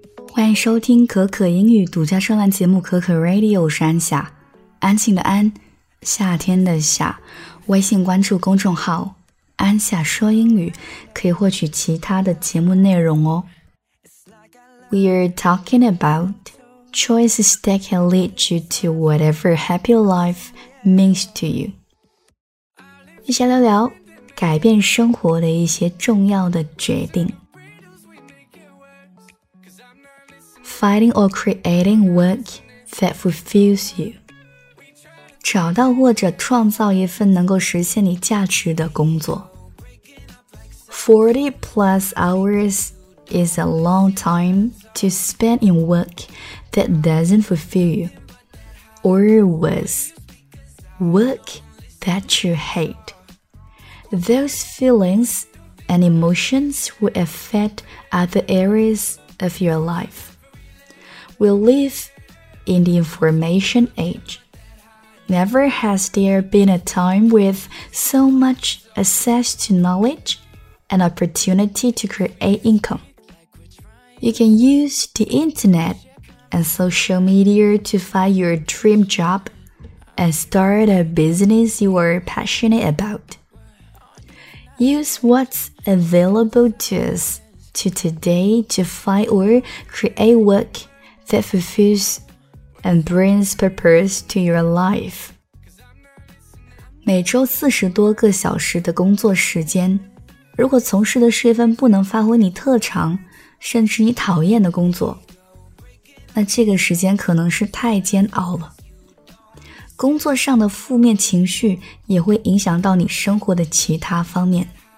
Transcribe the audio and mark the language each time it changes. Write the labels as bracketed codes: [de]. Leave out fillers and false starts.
[zh] 欢迎收听可可英语独家专栏节目可可 Radio， 我是安夏，安静的安，夏天的夏。微信关注公众号安夏说英语，可以获取其他的节目内容哦。 [en] We're talking about choices that can lead you to whatever happy life means to you. [zh] 一起聊聊改变生活的一些重要的决定。 [en] Finding or creating work that fulfills you. [zh] 找到或者创造一份能够实现你价值的工作。 [en] 40 plus hours is a long time to spend in work that doesn't fulfill you. Or worse, work that you hate. Those feelings and emotions will affect other areas of your life. We live in the information age. Never has there been a time with so much access to knowledge and opportunity to create income. You can use the internet and social media to find your dream job and start a business you are passionate about. Use what's available to us today to find or create workThat fulfills and brings purpose to your life. [zh] 每周40多个小时的工作时间，如果从事的是一份不能发挥你特长，甚至你讨厌的工作，那这个时间可能是太煎熬了。工作上的负面情绪也会影响到你生活的其他方面。